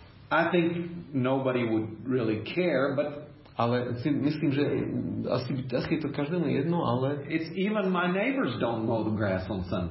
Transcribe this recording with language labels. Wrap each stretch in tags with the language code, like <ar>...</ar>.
<en>I think nobody would really care, but</en> <cs>ale si myslím, že asi je to každému jedno, ale</cs> <en>it's even my neighbors don't mow the grass on Sunday.</en>